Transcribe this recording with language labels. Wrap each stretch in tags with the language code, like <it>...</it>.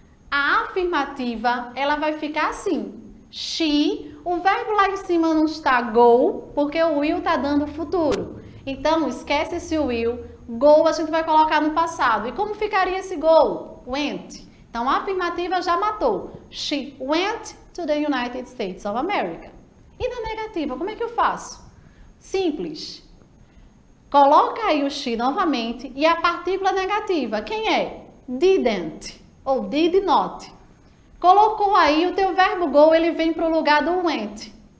<pt>A afirmativa, ela vai ficar assim. She, o verbo lá em cima não está go, porque o will está dando futuro. Então, esquece esse will. Go a gente vai colocar no passado. E como ficaria esse go? Went. Então, a afirmativa já matou.</pt> <en>She went to the United States of America.</en> <pt>E na negativa, como é que eu faço? Simples. Coloca aí o she novamente e a partícula negativa. Quem é?</pt> <en>Didn't ou did not.</en> <pt>Colocou aí o teu verbo go, ele vem para o lugar do went.</pt>